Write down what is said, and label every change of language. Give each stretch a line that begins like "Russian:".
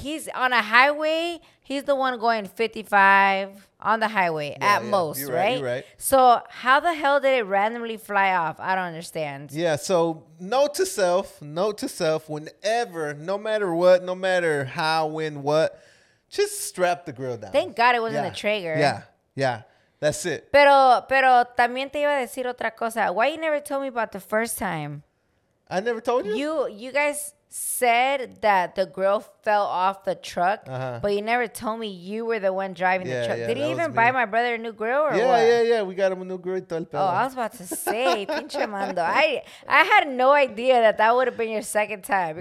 English: He's on a highway. He's the one going 55 on the highway most, you're right? So how the hell did it randomly fly off? I don't understand. Yeah, so note to self, whenever, no matter what, no matter how, when, what, just strap the grill down. Thank God it wasn't a Traeger. Yeah, that's it.
Spanish: Pero también te iba a decir otra cosa.
English: Why you never told me about the first time? I never told you? You guys... said that the girl fell off the truck, but you never told me you were the one driving the truck. Yeah, did he even buy my brother a new grill or yeah, what? Yeah, yeah, yeah. We got him a new grill. Oh, I was about to say,
Spanish: pinche mando.
English: I had no idea that that would have been your second time.